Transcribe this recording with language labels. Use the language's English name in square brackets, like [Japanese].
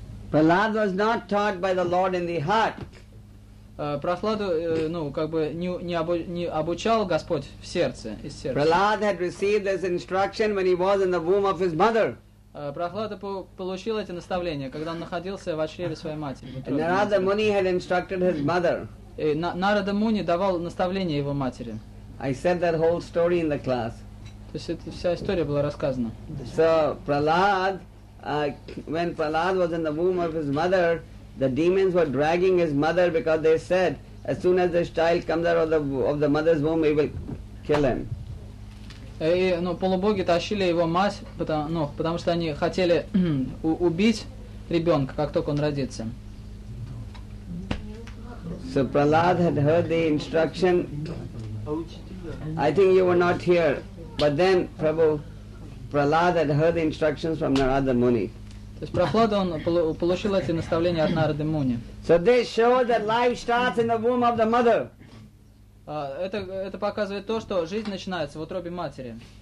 [English] Prahlada was not taught by the Lord in the heart. [Russian] Прохладу, ну, как бы не обучал Господь в сердце, из сердца. [English] Prahlad had received this instruction when he was in the womb of his mother. [Russian] Прохлада получил эти наставления, когда он находился в чреве своей матери. [English] And Narada Muni had instructed his mother. [Russian] Нарада Муни давал наставления его матери. [English] I said that whole story in the class. [Russian] То есть эта вся история была рассказана. [English] So Prahlad, when Prahlad was in the womb of his mother, the demons were dragging his mother because they said, as soon as this child comes out of the mother's womb, he will kill him. [Russian] И, ну, полубоги тащили его мать, потому что они хотели убить ребенка, как только он родится. [English] So Prahlad had heard the instruction. I think you were not here, but then Prahlad had heard the instructions from Narada Muni. [Russian] То есть Прохлада, он получил эти наставления от Нарады Муни. [English] So this shows that life starts in the womb of the mother. [Russian] Это показывает то, что жизнь начинается в утробе матери.